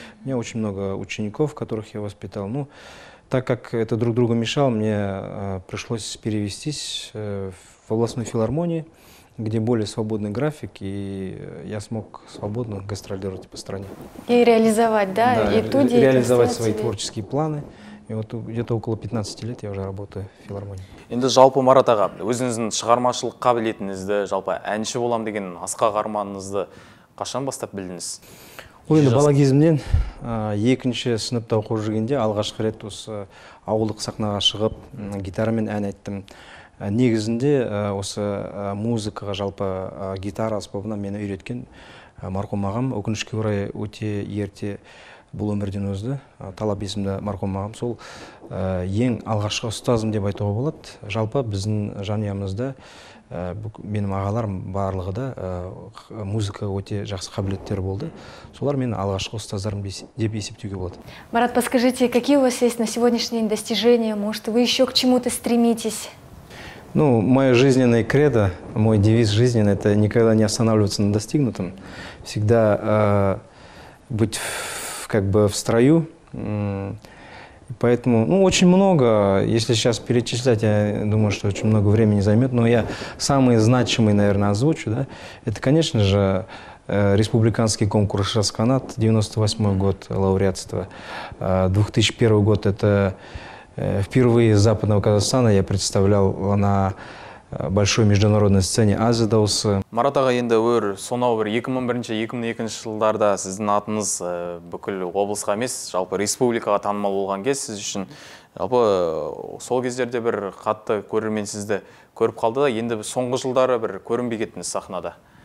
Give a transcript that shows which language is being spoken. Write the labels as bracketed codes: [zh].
[ru] У меня очень много учеников, которых я воспитал. Ну, так как это друг другу мешало, мне пришлось перевестись в областную филармонию, где более свободный график, и я смог свободно гастролировать по стране. И реализовать, да? Да, и реализовать свои творческие планы. И вот где-то около 15 лет я уже работаю в филармонии. [kk] Енді жалпы Марат аға, өзіңіздің шығармашылық қабілетіңізді, жалпы әнші болам деген асқақ арманыңызды қашан бастап білдіңіз? Ол енді бала кезімнен екінші сыныпта оқып жүргенде алғашқы рет осы ауылдық сахнаға шығып, гитарамен ән айттым. Негізінде осы музыкаға жалпы гитара аспабына мені үйреткен марқұм ағам, өкінішке орай өте ерте бұл өмірден өзді, Талап есімді марқұм ағам, сол ең алғашқы ұстазым деп айтуға болады. Жалпы біздің жанұямызда менің ағаларым барлығы да музыка өте жақсы қабілеттері болды. Солар мен алғашқы ұстаздарым деп есептеуге болады. [ru] Марат, подскажите, какие у вас есть на сегодняшний день достижения? Может, вы еще к чему-то стремитесь? Ну, мое жизненное кредо, мой девиз жизненный – это никогда не останавливаться на достигнутом. Всегда быть в строю. Поэтому, очень много, если сейчас перечислять, я думаю, что очень много времени займет, но я самые значимые, наверное, озвучу, да. Это, конечно же, республиканский конкурс «Шасканат», 98-й год лауреатства, 2001 год – это… Впервые из Западного Казахстана я представлял на большой международной сцене Азия Даусы. [kk] Марат аға, енді өр, сонау бір 2001-2002 жылдарда сіздің атыңыз бүкіл облысқа емес, жалпы республикаға танымал болған кез сіз үшін. Жалпы сол кездерде бір қатты көрермен сізді көріп қалды, енді соңғы жылдары бір көрінбей кеттіңіз сахнада.